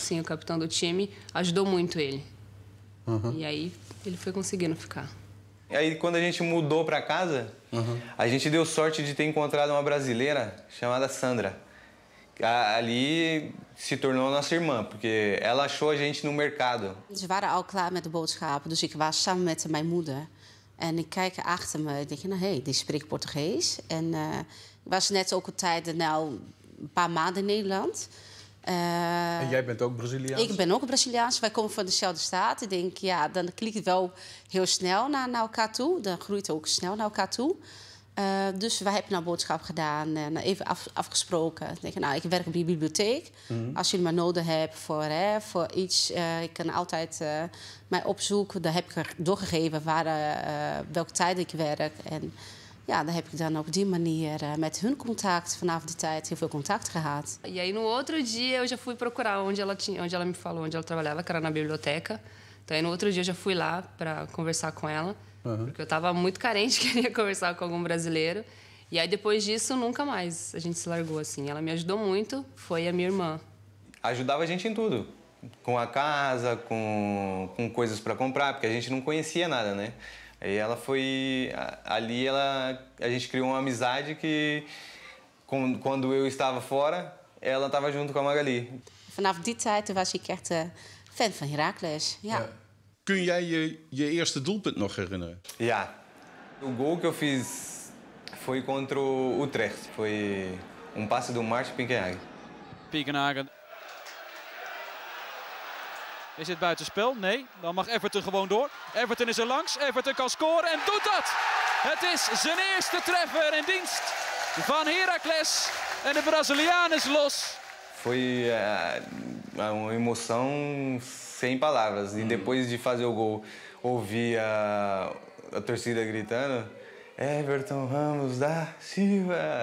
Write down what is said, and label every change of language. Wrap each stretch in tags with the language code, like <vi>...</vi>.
<pt>Sim, o capitão do time, ajudou muito ele. Uhum. E aí... Ele foi conseguindo ficar. Aí, quando a gente mudou pra casa, a gente deu sorte de ter encontrado uma brasileira chamada Sandra. Ali se tornou nossa irmã, porque ela achou a gente no mercado.</pt> <nl>Ze waren al klaar met de boodschap, dus ik was samen met mijn moeder. En ik kijk achter me, denk ik, nou hé, die spreekt Portugees. En ik was net ook een tijd, nou, een paar maanden in Nederland. En jij bent ook Braziliaans? Ik ben ook Braziliaans. Wij komen van dezelfde staat. Ik denk, ja, dan klikt het wel heel snel naar elkaar toe. Dan groeit het ook snel naar elkaar toe. Dus wij hebben nou boodschap gedaan en even afgesproken. Ik denk, nou, ik werk op die bibliotheek. Mm-hmm. Als jullie maar nodig hebben voor iets, ik kan altijd mij opzoeken. Dan heb ik doorgegeven welke tijd ik werk. En ja, dan heb ik dan op die manier met hun contact vanaf die tijd heel veel contact gehad.</nl> <pt>E aí no outro dia eu já fui procurar onde ela me falou onde ela trabalhava, que era na biblioteca. Então aí no outro dia eu já fui lá para conversar com ela, porque eu estava muito carente, queria conversar com algum brasileiro. E aí depois disso nunca mais a gente se largou assim. Ela me ajudou muito, foi a minha irmã. Ajudava a gente em tudo, com a casa, com coisas para comprar, porque a gente não conhecia nada, né? E ela foi... Ali a gente criou uma amizade que quando eu estava fora, ela estava junto com a Magali.</pt> <nl>Vanaf die tijd was ik echt fan van Heracles. Ja. Kun jij je eerste doelpunt nog herinneren? Ja.</nl> <pt>O gol que eu fiz foi contra o Utrecht. Foi passe do Marcio Pinkenhagen. Pinkenhagen.</pt> <nl>Is het buitenspel? Nee. Dan mag Everton gewoon door. Everton is er langs. Everton kan scoren en doet dat. Het is zijn eerste treffer in dienst van Heracles. En de Brazilian is los.</nl> <pt>Foi uma emoção sem palavras. E depois de fazer o gol, ouvi a torcida gritando: Everton Ramos da Silva.</pt>